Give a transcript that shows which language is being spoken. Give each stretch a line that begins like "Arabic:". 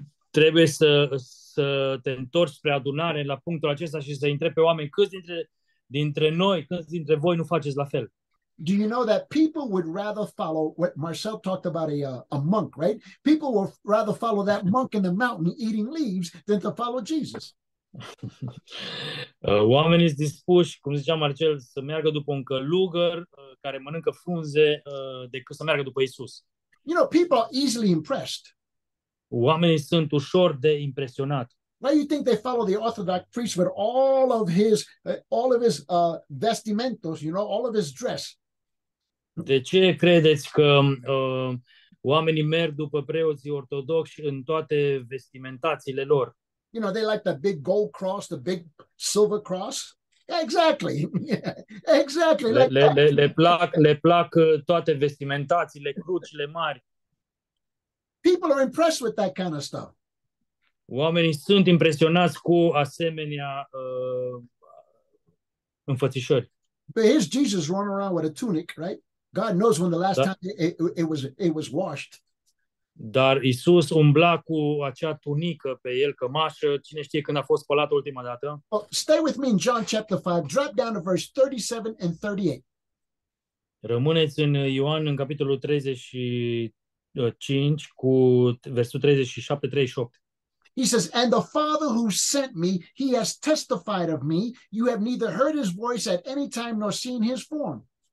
Romanian: Trebuie să te întorci spre adunare la punctul acesta și să întrebi pe oameni câți dintre noi, câți dintre voi nu faceți la fel.
English: Do you know that people would rather follow what Marcel talked about, a monk, right? People would rather follow that monk in the mountain eating leaves than to follow Jesus.
Romanian: Oamenii sunt dispuși, cum zicea Marcel, să meargă după un călugăr care mănâncă frunze decât să meargă după Isus.
English: You know, people are easily impressed.
Romanian: Oamenii sunt ușor de impresionat.
English: Why do you think they follow the Orthodox priest with all of his vestimentos, you know, all of his dress?
Romanian: De ce credeți că oamenii merg după preoții ortodoxi în toate vestimentațiile lor?
English: You know, they like the big gold cross, the big silver cross. Exactly. Exactly.
Romanian: Le plac toate vestimentațiile, crucile mari.
English: People are impressed with that kind of stuff.
Romanian: Oamenii sunt impresionați cu asemenea înfățișări.
English: But here's Jesus running around with a tunic, right? God knows when the last time it was washed.
Romanian: Dar Isus umbla cu acea tunică pe el, cămașă, cine știe când a fost spălat ultima dată?
English: Well, stay with me in John chapter 5, drop down to verse 37 and 38.
Romanian: Rămâneți în Ioan în capitolul 35 cu versul 37-38.
English: He says, "And the Father who sent me, he has testified of me. You have neither heard his voice at any time nor seen his form."